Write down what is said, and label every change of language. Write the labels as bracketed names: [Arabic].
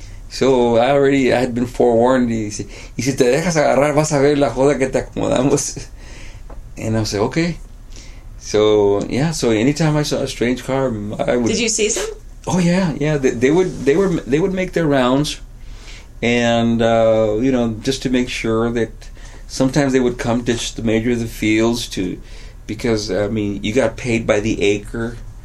[English] So I had been forewarned. [Spanish] Y si te dejas agarrar, vas a ver la joda que te acomodamos. [English] And I said, okay. So, yeah, so anytime I saw a strange car, I would... Did you see some? Oh, yeah, yeah. They would make their rounds, and, just to make sure that... Sometimes they would come to the major of the fields to... Because, I mean, you got paid by the acre.